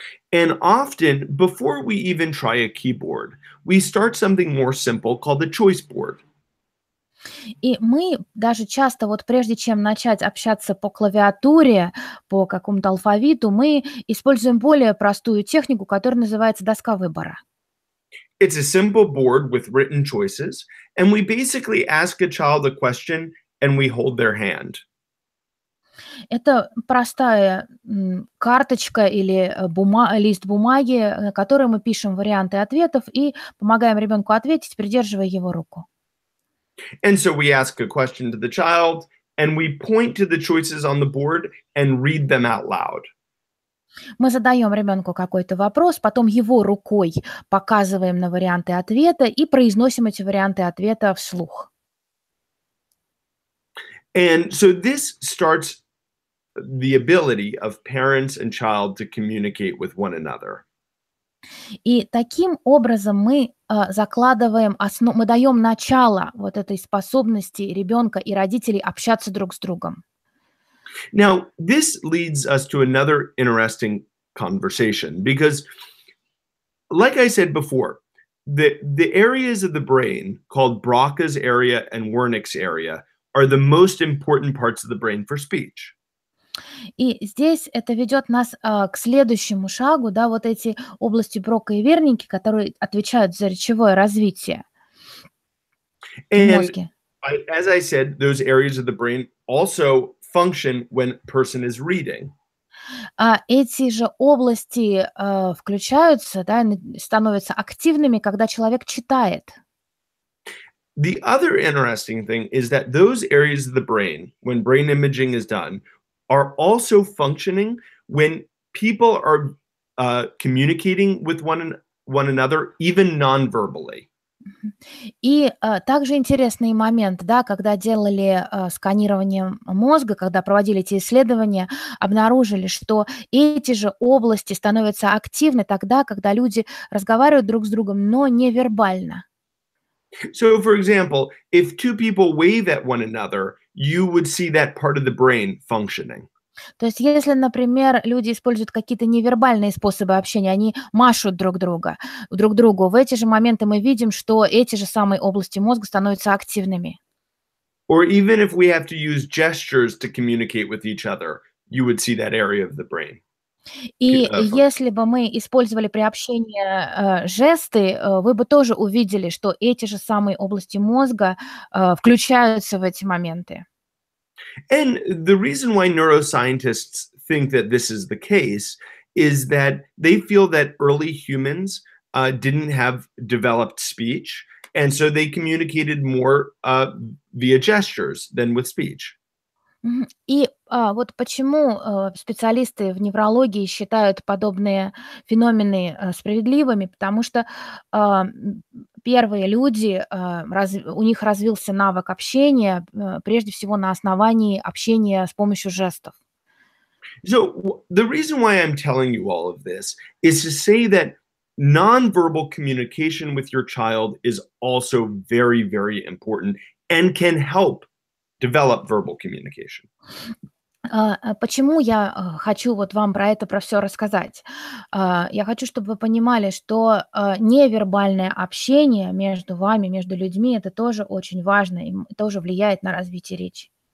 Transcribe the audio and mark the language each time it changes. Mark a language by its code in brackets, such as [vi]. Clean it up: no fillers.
[en] And often, before we even try a keyboard, we start something more simple called the choice board. [ru] И мы даже часто, вот прежде чем начать общаться по клавиатуре, по какому-то алфавиту, мы используем более простую технику, которая называется доска выбора. [en] It's a simple board with written choices, and we basically ask a child a question and we hold their hand. [ru] Это простая карточка или лист бумаги, на который мы пишем варианты ответов и помогаем ребенку ответить, придерживая его руку. [en] And so we ask a question to the child, and we point to the choices on the board and read them out loud. [ru] Мы задаем ребенку какой-то вопрос, потом его рукой показываем на варианты ответа и произносим эти варианты ответа вслух. [en] And so this starts the ability of parents and child to communicate with one another. [ru] И таким образом мы закладываем основу, мы даем начало вот этой способности ребенка и родителей общаться друг с другом. [en] Now, this leads us to another interesting conversation because, like I said before, the areas of the brain called Broca's area and Wernicke's area are the most important parts of the brain for speech. [ru] И здесь это ведет нас к следующему шагу, да, вот эти области Брока и Вернинки, которые отвечают за речевое развитие в [en] And [ru] мозге. [en] as I said, those areas of the brain also function when person is reading. [ru] А эти же области включаются, да, становятся активными, когда человек читает. [en] The other interesting thing is that those areas of the brain, when brain imaging is done, are also functioning when people are communicating with one another, even non-verbally. [ru] И также интересный момент, да, когда делали сканирование мозга, когда проводили эти исследования, обнаружили, что эти же области становятся активны тогда, когда люди разговаривают друг с другом, но невербально. [en] So, for example, if two people wave at one another, you would see that part of the brain functioning. [ru] То есть, если, например, люди используют какие-то невербальные способы общения, они машут друг другу, в эти же моменты мы видим, что эти же самые области мозга становятся активными. [en] Or even if we have to use gestures to communicate with each other, you would see that area of the brain. [ru] И если бы мы использовали при общении жесты, вы бы тоже увидели, что эти же самые области мозга включаются в эти моменты. [en] And the reason why neuroscientists think that this is the case is that they feel that early humans didn't have developed speech, and so they communicated more via gestures than with speech. [ru] И вот почему специалисты в неврологии считают подобные феномены справедливыми, потому что первые люди, у них развился навык общения, прежде всего на основании общения с помощью жестов. [en] So the reason why I'm telling you all of this is to say that nonverbal communication with your child is also very, very important and can help develop verbal communication. [ru] Почему я хочу вот вам про это, про все рассказать? Я хочу, чтобы вы понимали, что невербальное общение между вами, между людьми, это тоже очень важно и тоже влияет на развитие речи.